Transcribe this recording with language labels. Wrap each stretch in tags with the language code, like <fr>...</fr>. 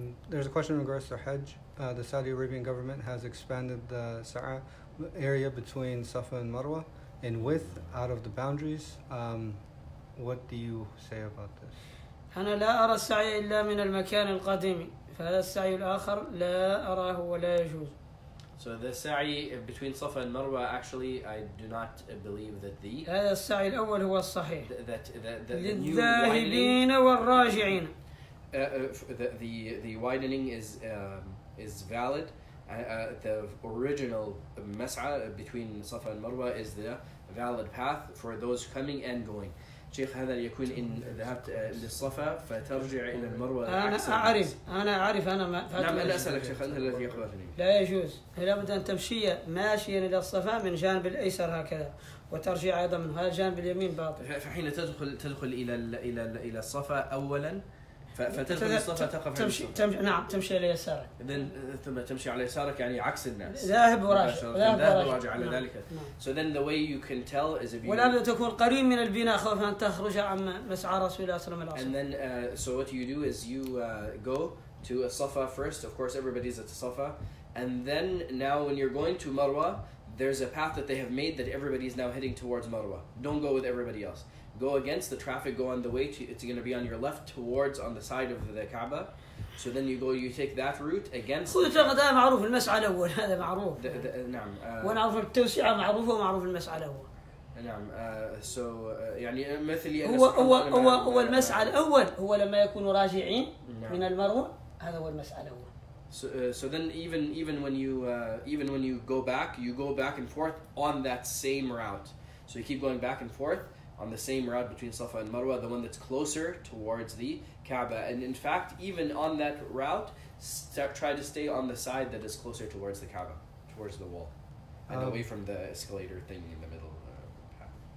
<en>There's a question in regards to Hajj. The Saudi Arabian government has expanded the Sa'a area between Safa and Marwa in width out of the boundaries. What do you say about this?</en> <ar>أنا لا أرى السعي إلا من المكان القديم. فهذا السعي الآخر لا أراه ولا يجوز.</ar> <en>So the Sa'i between Safa and Marwa, actually, I do not believe that the.</en> <ar>هذا السعي الأول هو الصحيح. للذاهبين والراجعين.</ar> <en>The widening is valid. The original mas'a between Safa and Marwa is the valid path for those coming and going.</en> <ar>شيخ هذا يكون إن ذهبت للصفا فترجع إلى المروة. أنا أعرف أنا ما. نعم أنا أسألك شيخ أنت الذي يقبلني. لا يجوز لا بد أن تمشي ماشيا إلى الصفا من جانب الأيسر هكذا. وترجع أيضا من هذا الجانب اليمين باطل. فحين تدخل إلى الـ إلى الـ إلى الصفا أولا. فتدخل الصفا تقف تمشي نعم تمشي على يسارك ثم تمشي على يسارك يعني عكس الناس ذاهب وراجع على ذلك.</ar> <en>So then the way you can tell is if you</en> <ar>ولا بد تكون قريب من البناء خوفا أن تخرج عن مسعى رسول الله صلى الله عليه وسلم.</ar> <en>And then so what you do is you go to a Safa first, of course everybody's at a Safa, and then now when you're going to Marwa, there's a path that they have made that everybody is now heading towards Marwa. Don't go with everybody else. Go against the traffic, go on the way, it's going to be on your left towards on the side of the Kaaba. So then you go, you take that route against the Kaaba.</en> <ar>معروف المسعى الأول هذا معروف. نعم. ونعرف التوسعة معروفة ومعروف المسعى الأول. نعم. So يعني مثلي هو المسعى الأول هو لما يكون راجعين من المروة هذا هو المسعى الأول.</ar> <en>So then even when you go back, you go back and forth on that same route. So you keep going back and forth on the same route between Safa and Marwa, the one that's closer towards the Kaaba. And in fact, even on that route, try to stay on the side that is closer towards the Kaaba, towards the wall, and away from the escalator thing in the middle of the path.</en>